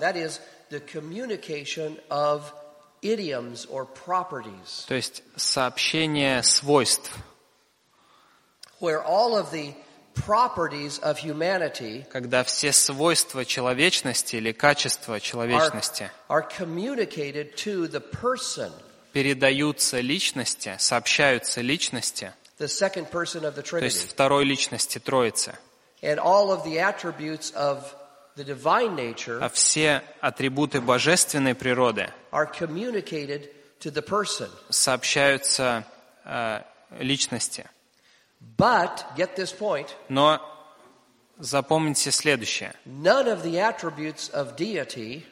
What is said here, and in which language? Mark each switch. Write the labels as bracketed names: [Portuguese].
[English] That is the communication of idioms or properties. [Russian] То есть сообщение свойств. [English] Where all of the properties of humanity, [Russian] когда все свойства человечности или качества человечности, [English] are communicated to the person, [Russian] передаются личности, сообщаются личности, [English] the second person of the Trinity, [Russian] то есть второй личности Троицы, [English] and all of the attributes of the divine nature, [Russian] а все атрибуты божественной природы, [English] are communicated to the person, [Russian] сообщаются личности. [English] But get this point. [Russian] Но запомните следующее. [English] None of the attributes of deity,